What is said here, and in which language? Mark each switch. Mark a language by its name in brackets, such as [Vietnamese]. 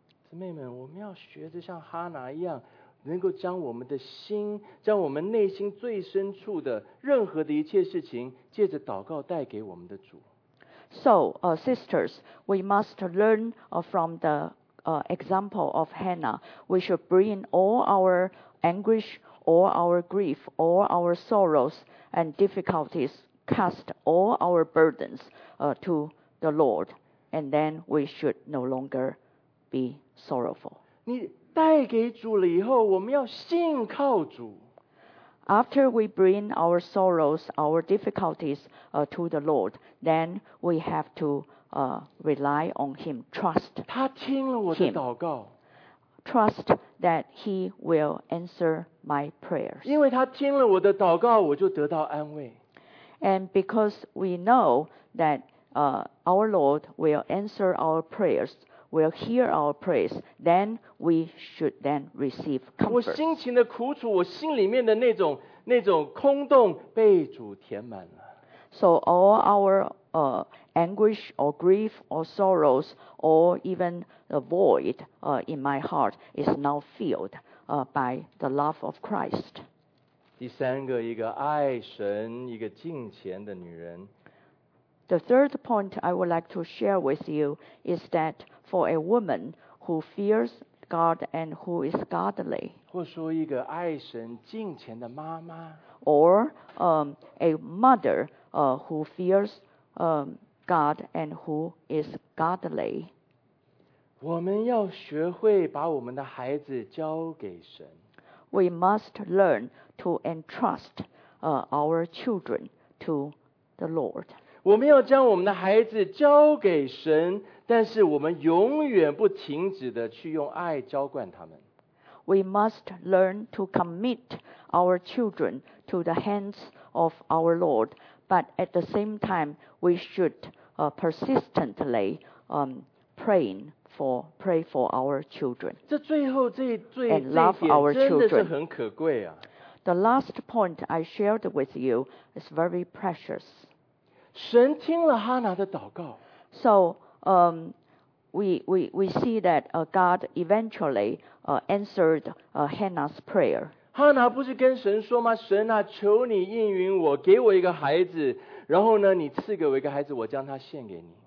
[Chinese] 姊妹们，我们要学着像哈拿一样，能够将我们的心，将我们内心最深处的任何的一切事情，借着祷告带给我们的主。 [English] So, sisters, we must learn from the example of Hannah. We should bring all our anguish, all our grief, all our sorrows and difficulties, cast all our burdens to the Lord, and then we should no longer be sorrowful. [Chinese] 你带给主了以后，我们要信靠主。 [English] After we bring our sorrows, our difficulties to the Lord, then we have to rely on Him, trust Him. [Chinese] 他听了我的祷告。 [English] Trust that He will answer my prayers. [Chinese] 因为他听了我的祷告，我就得到安慰。 [English] And because we know that our Lord will answer our prayers, will hear our prayers, then we should then receive comfort. [Chinese] 我心情的苦楚，我心里面的那种空洞被主填满了。 [English] So all our anguish or grief or sorrows or even the void in my heart is now filled by the love of Christ. [Chinese] 第三个，一个爱神、一个敬虔的女人。 [English] The third point I would like to share with you is that for a woman who fears God and who is godly, [Chinese] 或说一个爱神敬虔的妈妈， [English] or a mother who fears God and who is godly. [Chinese] 我们要学会把我们的孩子交给神。 [English] We must learn to entrust our children to the Lord. [Chinese] 我们要将我们的孩子交给神，但是我们永远不停止的去用爱浇灌他们。 [English] We must learn to commit our children to the hands of our Lord, but at the same time, we should persistently pray for our children. [Chinese] 这最后这一最 [English] and love our children. [Chinese] 真的是很可贵啊。 [English] The last point I shared with you is very precious. [Chinese] 神听了哈拿的祷告。 [English] So, we see that God eventually answered Hannah's prayer. [Chinese] Hannah 不是跟神说吗？神啊，求你应允我，给我一个孩子，然后呢，你赐给我一个孩子，我将他献给你。